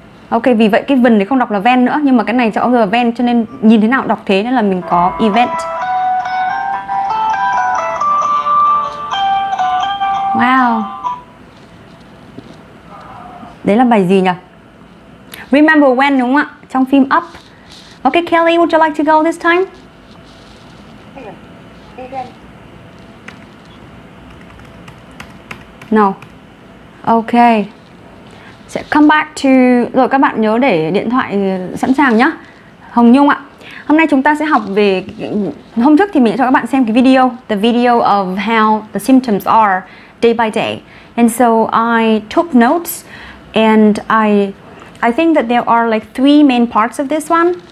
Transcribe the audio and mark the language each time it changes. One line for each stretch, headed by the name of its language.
Vietnamese: Ok, vì vậy cái vần này không đọc là ven nữa. Nhưng mà cái này cho ông rồi là ven. Cho nên nhìn thế nào đọc thế. Nên là mình có event.
English: Wow.
Vietnamese: Đấy là bài gì nhỉ? Remember when đúng không ạ? Trong phim Up.
English: Ok, Kelly, would you like to go this time? No. Ok. Sẽ come back to...
Vietnamese: Rồi các bạn nhớ để điện thoại sẵn sàng nhá. Hồng Nhung ạ. Hôm nay chúng ta sẽ học về... Hôm trước thì mình sẽ cho các bạn xem cái video.
English: The video of how the symptoms are day by day. And so I took notes. And I think that there are like three main parts of this one.